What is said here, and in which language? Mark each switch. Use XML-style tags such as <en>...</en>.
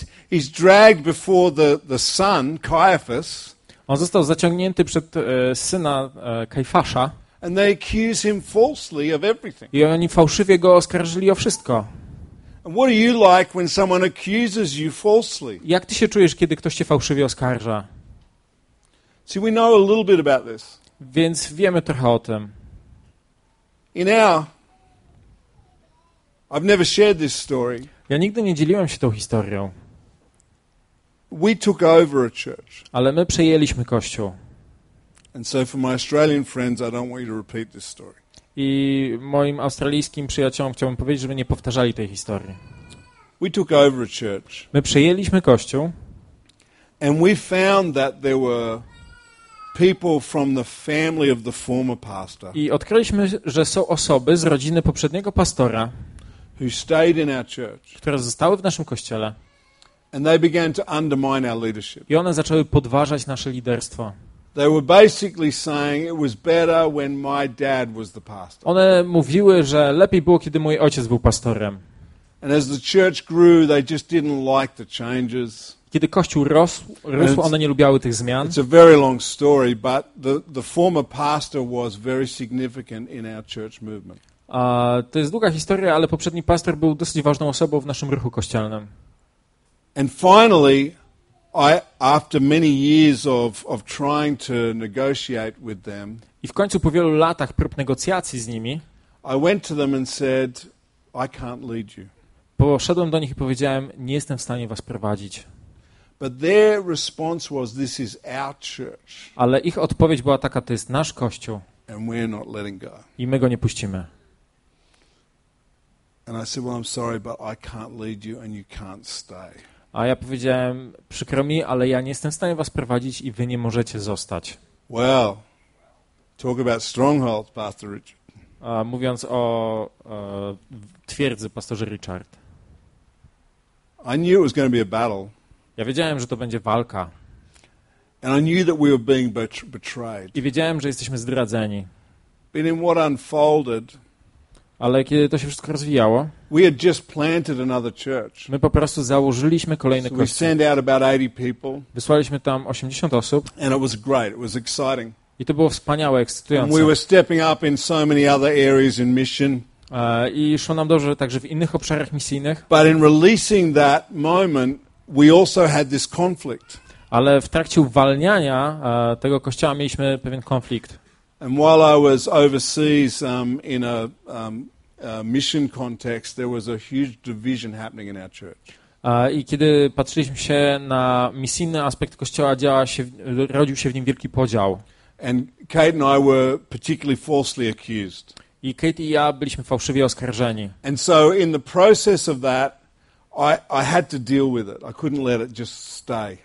<en>He's dragged before the son, Caiaphas.</en> <pl>On został zaciągnięty przed syna Kajfasza.</pl> <en>And they accuse him falsely of everything.</en> <pl>I oni fałszywie go oskarżyli o wszystko.</pl> <en>And what are you like when someone accuses you falsely?</en> <pl>Jak ty się czujesz, kiedy ktoś cię fałszywie oskarża?</pl> <en>See, we know a little bit about this.</en> <pl>Więc wiemy trochę o tym.</pl> <en>In our, I've never shared this story.</en> <pl>Ja nigdy nie dzieliłem się tą historią.</pl> <en>We took over a church.</en> <pl>Ale my przejęliśmy kościół.</pl> <en>And so for my Australian friends, I don't want you to repeat this story.</en> <pl>I moim australijskim przyjaciołom chciałbym powiedzieć, żeby nie powtarzali tej historii.</pl> <en>We took over a church.</en> <pl>My przejęliśmy kościół.</pl> <en>And we found that there were people from the family of the former pastor.</en> <pl>I odkryliśmy, że są osoby z rodziny poprzedniego pastora,</pl> <en>who stayed in our church.</en> <pl>Które zostały w naszym kościele.</pl> <en>And they began to undermine our leadership.</en> <pl>I one zaczęły podważać nasze liderstwo.</pl> <en>They were basically saying it was better when my dad was the pastor.</en> <pl>One mówiły, że lepiej było, kiedy mój ojciec był pastorem.</pl> <en>And as the church grew, they just didn't like the changes.</en> <pl>Kiedy kościół rósł, one nie lubiały tych zmian.</pl> <en>It's a very long story, but the former pastor was very significant in our church movement.</en> <pl>A to jest długa historia, ale poprzedni pastor był dosyć ważną osobą w naszym ruchu kościelnym.</pl> <en>And finally, I, after many years of trying to negotiate with them,</en> <pl>i w końcu po wielu latach prób negocjacji z nimi,</pl> <en>I went to them and said, I can't lead you.</en> <pl>Poszedłem do nich i powiedziałem, nie jestem w stanie was prowadzić.</pl> <en>But their response was, this is our church.</en> <pl>Ale ich odpowiedź była taka, to jest nasz kościół.</pl> <en>And we're not letting go.</en> <pl>I my go nie puścimy.</pl> <en>And I said, well, I'm sorry, but I can't lead you and you can't stay.</en> <pl>A ja powiedziałem, przykro mi, ale ja nie jestem w stanie was prowadzić i wy nie możecie zostać.</pl> <en>Well, talk about stronghold, Pastor Richard.</en> <pl>Mówiąc o twierdzy, pastorze Richard.</pl> <en>I knew it was going to be a battle.</en> <pl>Ja wiedziałem, że to będzie walka.</pl> <en>And I knew that we were being betrayed.</en> <pl>I wiedziałem, że jesteśmy zdradzani.</pl> <en>But in what unfolded,</en> <pl>ale kiedy to się wszystko rozwijało,</pl> <en>we had just planted another church.</en> <pl>My po prostu założyliśmy kolejny kościół.</pl> <en>We sent out about 80 people.</en> <pl>Wysłaliśmy tam 80 osób.</pl> <en>And it was great. It was exciting.</en> <pl>I to było wspaniałe, ekscytujące.</pl> <en>And we were stepping up in so many other areas in mission.</en> <pl>I szło nam dobrze także w innych obszarach misyjnych.</pl> <en>But in releasing that moment, we also had this conflict.</en> <pl>Ale w trakcie uwalniania tego kościoła mieliśmy pewien konflikt.</pl> <en>And while I was overseas in a mission context, there was a huge division happening in our church.</en> <pl>I kiedy patrzyliśmy się na misyjny aspekt kościoła, rodził się w nim wielki podział.</pl> <en>And Kate and I were particularly falsely accused.</en> <pl>I Kate i ja byliśmy fałszywie oskarżeni.</pl> <en>And so in the process of that, I had to deal with it. I couldn't let it just stay.</en>